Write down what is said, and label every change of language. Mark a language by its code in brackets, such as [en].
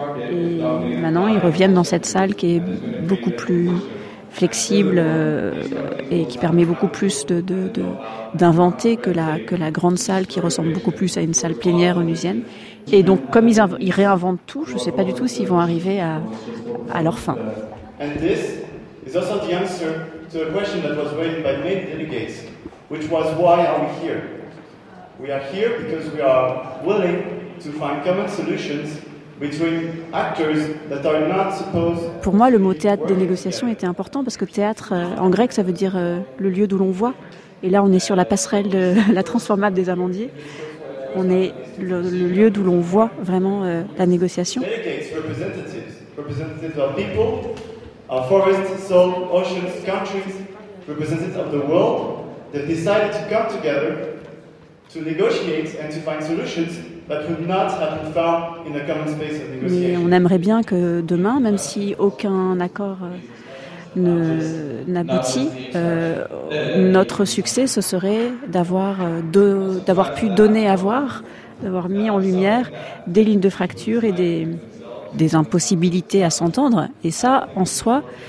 [fr] Et maintenant, ils reviennent dans cette salle qui est beaucoup plus flexible et qui permet beaucoup plus d'inventer que la grande salle qui ressemble beaucoup plus à une salle plénière onusienne. Et donc, comme ils réinventent tout, je ne sais pas du tout s'ils vont arriver à leur fin. [en] And this is also the answer to a question that was raised by many delegates, which was, why are we here? We are here because we are willing to find common solutions between actors that are not supposed. [fr] Pour moi, le mot théâtre des négociations était important parce que théâtre, en grec, ça veut dire le lieu d'où l'on voit. Et là, on est sur la passerelle de la transformable des Amandiers. On est le lieu d'où l'on voit vraiment la négociation. [en] Delegates, representatives of people, of forests, soil, oceans, countries, representatives of the world, that decided to come together to negotiate and to find solutions that would not have been found in a common space of negotiation. [fr] Mais on aimerait bien que demain, même si aucun accord n'aboutit, notre succès, ce serait d'avoir pu donner à voir, d'avoir mis en lumière des lignes de fracture et des impossibilités à s'entendre. Et ça, en soi,